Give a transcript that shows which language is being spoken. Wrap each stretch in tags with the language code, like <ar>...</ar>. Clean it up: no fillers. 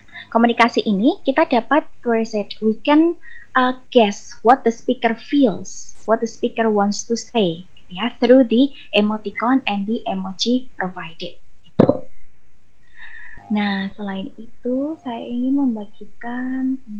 <id>komunikasi ini kita dapat research.</id> <en>We can guess what the speaker feels, what the speaker wants to say, ya, through the emoticon and the emoji provided.</en> <id>Nah, selain itu saya ingin membagikan.</id>